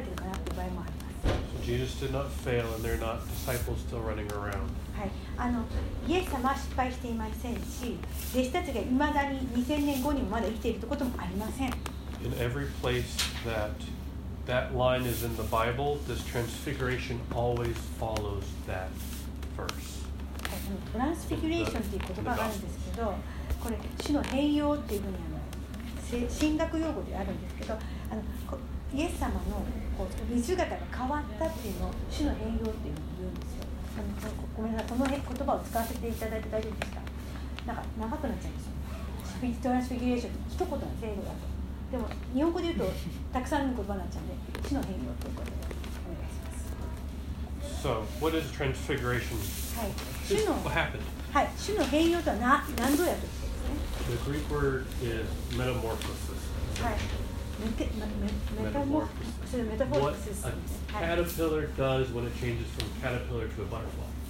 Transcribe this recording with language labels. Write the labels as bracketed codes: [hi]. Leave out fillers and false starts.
[en] So Jesus did not fail, and there are not disciples still running around. [ja] イエス様は失敗していませんし、弟子たちが未だに2000年後にもまだ生きているということもありません。 [en] In every place that line is in the Bible, this transfiguration always follows that verse. [ja] Transfiguration という言葉があるんですけど、これ、主の変容っていうふうに神学用語であるんですけど、イエス様のこう見姿が変わったっていうのを主の変容っていうふうに言うんですよ。ごめんなさい、この言葉を使わせていただいて大丈夫ですか？なんか長くなっちゃいますよ。 Transfiguration って一言の程度だと。でも日本語で言うとたくさんの言葉になっちゃうんで、地の変容ということでお願いします。 [en] So, what is transfiguration? [ja] はい、 [en] What happened? [ja] はい、地の変容とは何度やということですね。 [en] The Greek word is metamorphosis. [ja] はい、メタモーフォーシス。 [en] What a caterpillar does when it changes from a caterpillar to a butterfly.